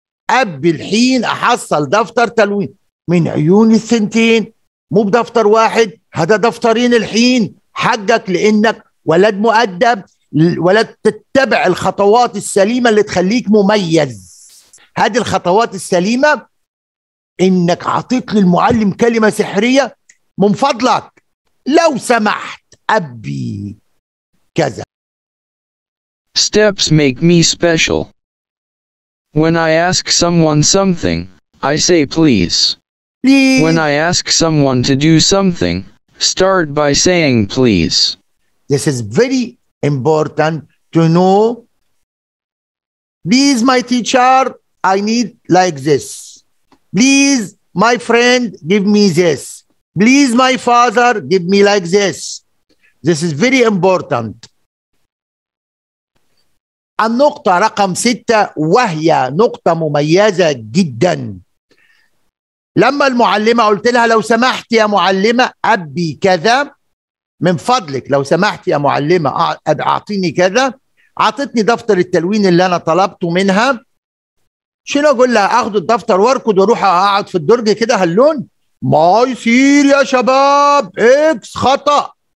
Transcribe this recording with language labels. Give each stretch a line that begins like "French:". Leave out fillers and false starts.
Arabic: أبي الحين أحصل دفتر تلوين من عيون الثنتين، مو بدفتر واحد، هذا دفترين الحين حقك، لأنك ولد مؤدب، ولد تتبع الخطوات السليمة اللي تخليك مميز. هذه الخطوات السليمة إنك عطيت للمعلم كلمة سحرية من فضلك لو سمحت أبي كذا.
English: Steps make me special. When I ask someone something, I say please. When I ask someone to do something, start by saying please. This is very important to know. Please, my teacher, I need like this. Please, my friend, give me this. Please, my father, give me like this. This is very important.
Arabic: النقطة رقم 6 وهي نقطة مميزة جدا. لما المعلمة قلت لها لو سمحت يا معلمة أبي كذا من فضلك، لو سمحت يا معلمة أعطيني كذا، أعطتني دفتر التلوين اللي أنا طلبته منها، شنو أقول لها؟ أخذ الدفتر واركض وروح أقعد في الدرج كده هاللون؟ ما يصير يا شباب، إكس خطأ.